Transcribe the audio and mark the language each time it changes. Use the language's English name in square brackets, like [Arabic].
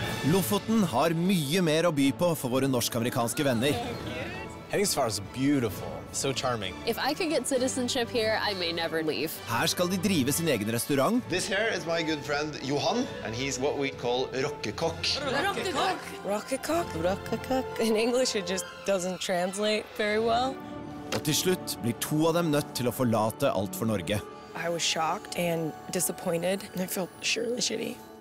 [Norwegian] Lofoten har mye mer å by på for våre norsk-amerikanske venner. Henningsvær er veldig. [English] So charming. If I could get citizenship here, I may never leave. [Norwegian] Her skal de drive sin egen restaurant. [English] This here is my good friend Johan, and he's what we call rockekokk. [Norwegian] Rockekokk. Rockekokk. Rockekokk. [English] In English, it just doesn't translate very well. [Norwegian] Og til slutt blir to av dem nødt til å forlate alt for Norge. [English] I was shocked and disappointed, and I felt surely shitty.